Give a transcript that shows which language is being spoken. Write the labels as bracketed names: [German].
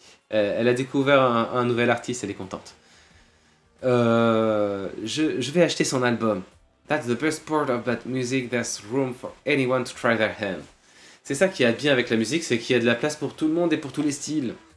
[French] Elle a découvert un nouvel artiste, elle est contente. Je vais acheter son album. [English] That's the best part of that music, there's room for anyone to try their hand. [French] C'est ça qui est bien avec la musique, c'est qu'il y a de la place pour tout le monde et pour tous les styles.